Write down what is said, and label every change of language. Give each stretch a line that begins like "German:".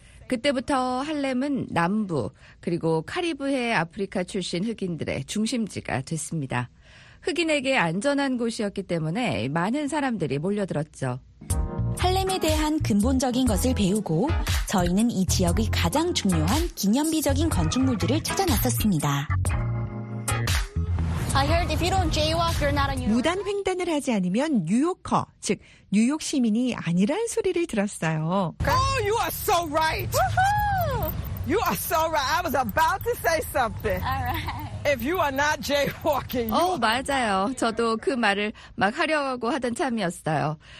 Korean: 그때부터 할렘은 남부 그리고 카리브해 아프리카 출신 흑인들의 중심지가 됐습니다. 흑인에게 안전한 곳이었기 때문에 많은 사람들이 몰려들었죠. 할렘에 대한 근본적인 것을 배우고 저희는 이 지역의 가장 중요한 기념비적인 건축물들을 찾아 나섰습니다.
English: I heard if you don't jaywalk, you're not a New Yorker.
Korean: 무단 횡단을 하지 않으면 뉴요커, 즉 뉴욕 시민이 아니란 소리를 들었어요.
English: Oh, you are so right. You are so right. I was about to say something. All right. If you are not jaywalking.
Korean: 맞아요. 저도 그 말을 막 하려고 하던 참이었어요.